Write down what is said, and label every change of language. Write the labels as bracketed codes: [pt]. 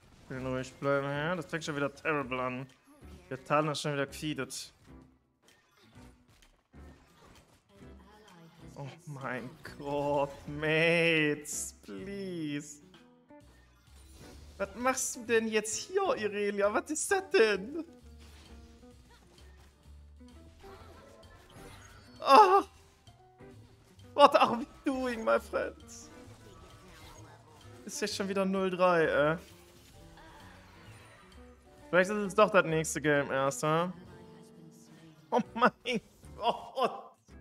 [de] Ruhig bleiben, ja? Das fängt schon wieder terrible an. Der Talon ist schon wieder gefeedet. Oh mein Gott, [en] Mates, please. [de] Was machst du denn jetzt hier, Irelia? Was ist das denn? Oh. [en] What are we doing, my friends? [de] Ist jetzt schon wieder 0-3, eh? Vielleicht ist es doch das nächste Game erst, oder? Oh mein Gott!